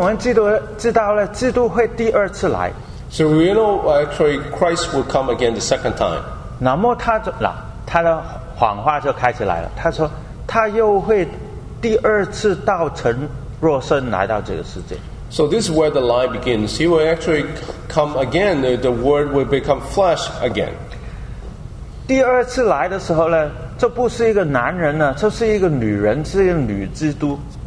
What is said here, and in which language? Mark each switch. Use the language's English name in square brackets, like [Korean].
[Chinese] 那么我们基督知道了, 基督会第二次来。 [English] So we know actually Christ will come again the second time. [Chinese] 那么他的谎话就开始来了。他说他又会第二次道成肉身来到这个世界。 [English] So this is where the lie begins. He will actually come again. The Word will become flesh again. [Chinese] 第二次来的时候呢，这不是一个男人呢，这是一个女人，是一个女基督。